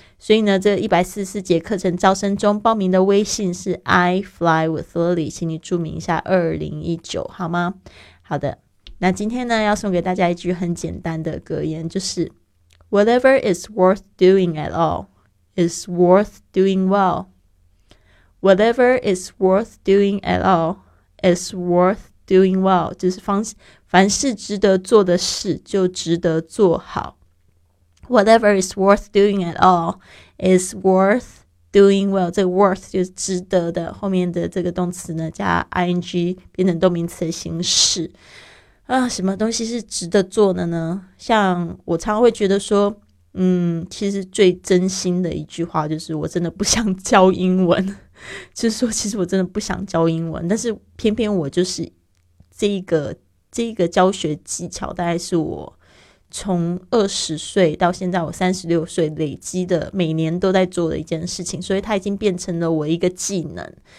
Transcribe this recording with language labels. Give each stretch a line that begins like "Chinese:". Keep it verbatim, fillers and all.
Chinese: 所以呢，这一百四十四节课程招生中，报名的微信是 I Fly with Lily， 请你注明一下二零一九好吗？好的，那今天呢要送给大家一句很简单的格言，就是
English: Whatever is worth doing at all is worth doing well. Whatever is worth doing at all is worth doing well.
Chinese: 就是凡是值得做的事就值得做好。
English: Whatever is worth doing at all is worth doing well.
Chinese: 这个 worth 就是值得的，后面的这个动词呢加 ing 变成动名词的形式。啊，什么东西是值得做的呢？像我常常会觉得说嗯，其实最真心的一句话就是我真的不想教英文就是说其实我真的不想教英文，但是偏偏我就是这个这个教学技巧大概是我从二十岁到现在我三十六岁累积的，每年都在做的一件事情，所以它已经变成了我一个技能。